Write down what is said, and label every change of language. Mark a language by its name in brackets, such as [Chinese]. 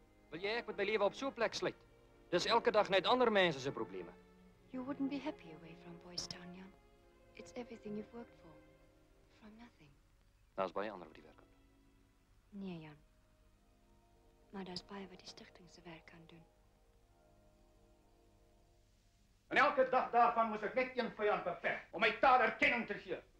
[Afrikaans] Wil jy ek met my lewe op so 'n plek sluit? Dis elke dag net ander mense se probleme. [English] You wouldn't be happy away from Boys Town, Jan. It's everything you've worked for. From nothing. [Afrikaans] Daar's baie ander wat die werk kan doen. Nee, Jan. Maar daar's baie wat die stichting se werk kan doen. En elke dag daarvan moes ek net een vyand beveg om my taal erkenning te gee.